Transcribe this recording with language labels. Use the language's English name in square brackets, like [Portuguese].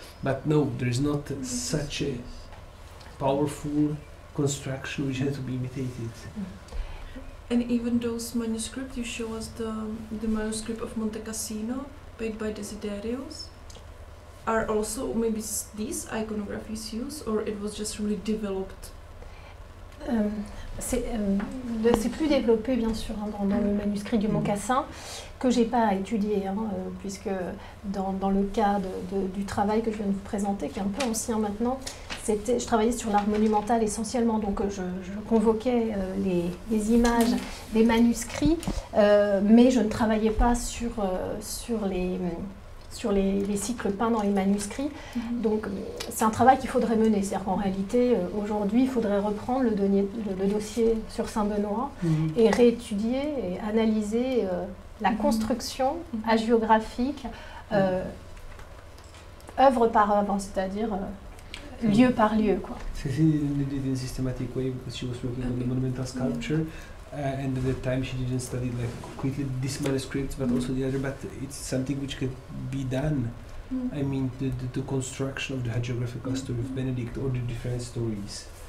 [English] But no, there is not such a powerful construction which had to be imitated. And even those manuscripts, you show us the manuscript of Monte Cassino paid by Desiderius, are also maybe these iconographies used, or it was just really developed? [French] C'est plus développé, bien sûr, hein, dans le manuscrit du Mocassin, que je n'ai pas à étudier, hein, puisque dans le cadre du travail que je viens de vous présenter, qui est un peu ancien maintenant, je travaillais sur l'art monumental essentiellement, donc je convoquais les images des manuscrits, mais je ne travaillais pas sur les cycles peints dans les manuscrits. Donc c'est un travail qu'il faudrait mener, c'est-à-dire qu'en réalité aujourd'hui il faudrait reprendre le dossier sur Saint-Benoît et réétudier et analyser la construction hagiographique œuvre par œuvre, c'est-à-dire lieu par lieu, quoi. [English] Cécile did it in a systematic way because she was working on the monumental sculpture. And at the time she didn't study like quickly this manuscript but also the other, but it's something which could be done. I mean the construction of the hagiographical story of Benedict or the different stories.